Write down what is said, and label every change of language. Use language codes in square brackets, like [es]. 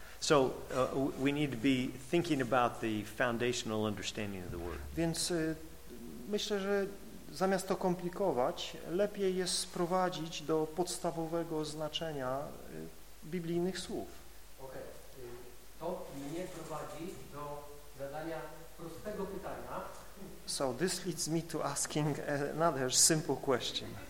[en] So we need to be thinking about the foundational understanding of the word. [pl] Więc myślę, że zamiast to komplikować, lepiej jest sprowadzić do podstawowego znaczenia biblijnych słów. Okej. To mnie prowadzi do zadania prostego pytania. [en] So this leads me to asking another simple question.